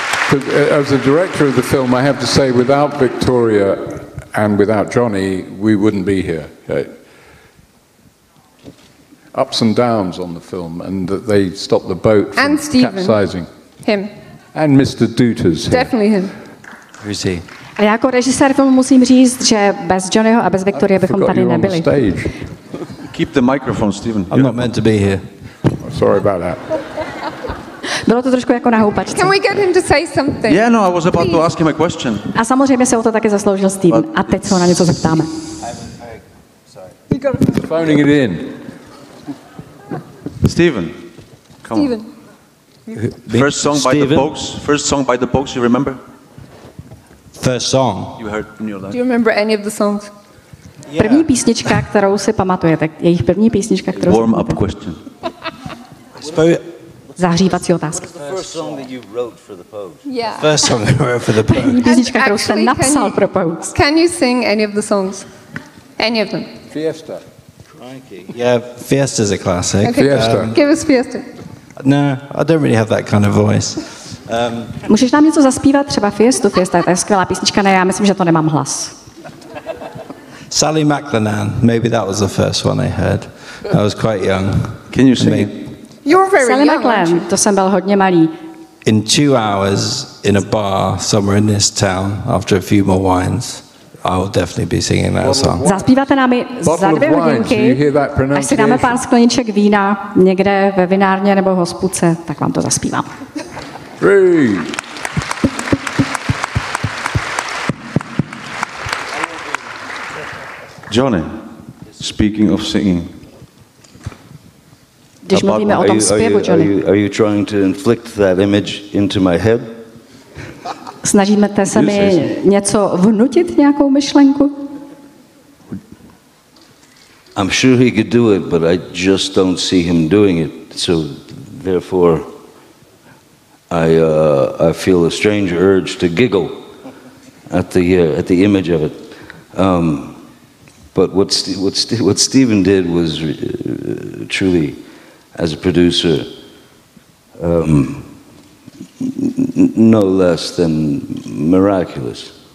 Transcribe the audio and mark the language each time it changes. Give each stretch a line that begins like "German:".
English: As a director of the film, I have to say, without Victoria and without Johnny, we wouldn't be here. Ups and downs on the film, and that they stopped the boat from capsizing. Him. And Mr. Duters. Definitely him. Who's he?
Czech: A jako režisér filmu musím říct, že bez Johnnyho a bez Victoria bychom tady nebyli.
English: Stage. Keep the microphone, Stephen. I'm not meant to be here. Sorry about that.
Czech: Bylo to trošku jako na houpačce.
English: Can we get him to say something? Yeah, no, I was about to ask him a question.
Czech: A samozřejmě se o to taky zasloužil Stephen. A teď se ho na něco zeptáme.
English: Sorry. Phoning it in. Stephen. Come Stephen. On. First song Stephen? By the Pogues. First song by the Pogues, you remember? First song. You heard in your life. Do you remember any of the songs? Yeah.
Czech: První písnička, kterou si pamatujete, jejich první písnička, kterou
English: Warm up question.
Czech: Zahřívací otázka.
English: First song that you wrote for the Pogues. Yeah. First song that you wrote for the Pogues. Actually, can you sing any of the songs? Any of them? Fiesta. Crikey. Yeah, Fiesta's a classic. Okay. Fiesta. Give us Fiesta. No, I don't really have that kind of voice.
Czech: Můžeš nám něco zaspívat, třeba Fiestu? Fiesta, to je skvělá písnička. Ne, já myslím, že to nemám hlas.
English: Sally McLennan, maybe that was the first one I heard. I was quite young. Can you sing it? You're very Sally young,
Czech: McLennan, to jsem byl hodně malý.
English: In 2 hours, in a bar, somewhere in this town, after a few more wines, I will definitely be singing that song.
Czech: Zaspíváte nám i za 2 hodinky, až si dáme pár skleniček vína někde ve vinárně nebo hospůdce, tak vám to zaspívám.
English: Three. Johnny, speaking of singing.
Czech: Když mluvíme o tom zpěvu, Johnny.
English: Are you trying to inflict that image into my head?
Czech: Snažíme se mi něco vnutit, nějakou myšlenku?
English: I'm sure he could do it, but I just don't see him doing it. So therefore I feel a strange urge to giggle at the image of it. But what Stephen did was truly, as a producer, no less than miraculous.